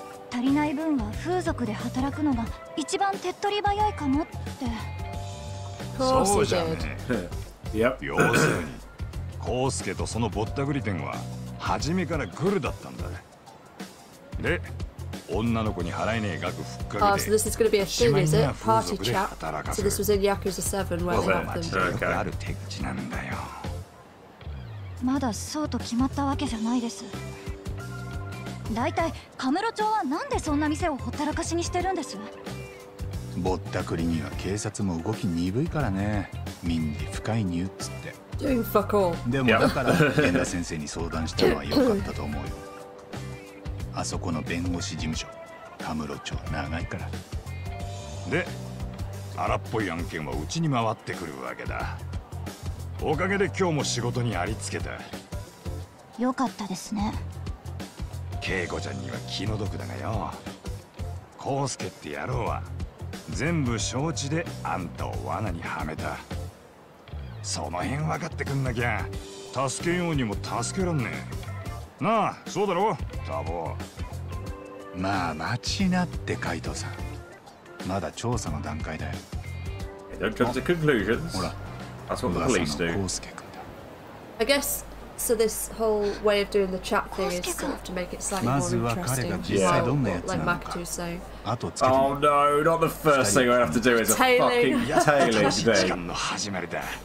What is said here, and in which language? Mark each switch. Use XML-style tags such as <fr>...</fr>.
<ja>足りない分は風俗で働くのが一番手っ取り早いかもって。そうじゃね。</ja> <en>Yep.</en> <ja>要するに、コウスケとそのぼったくり店は初めからグルだったんだ。で、女の子に払えねえ額ふっかけて。</ja> <en>Oh, so this is going to be a thing, is it? Party chat. So this was in Yakuza 7 where they have them.</en> <ja>よくある手口なんだよ。まだそうと決まったわけじゃないです。大体カムロ町はなんでそんな店をほったらかしにしてるんです？ぼったくりには警察も動き鈍いからね。民事不介入っつって。</ja> <en>Doing fuck all。</en> <ja>でもだから源田先生に相談したのは良かったと思うよ。あそこの弁護士事務所、カムロ町長いから。で、荒っぽい案件はうちに回ってくるわけだ。おかげで今日も仕事にありつけた。良かったですね。恵子ちゃんには気の毒だがよ、コウスケって野郎は全部承知であんたを罠にはめた。その辺分かってくんなきゃ助けようにも助けらんねえなあ。そうだろう、タボ。まあ待ちなって、カイトさん、まだ調査の段階だよ。</ja> <en>Don't come to conclusions. ほら、 That's what the police do.</en> <ja>コウスケ君だ。</ja> <en>I guessSo this whole way of doing the chat thing is sort of to make it slightly more interesting. Yeah. Like Makoto say. Oh no, not the first thing we have to do is a fucking tailing thing.</en>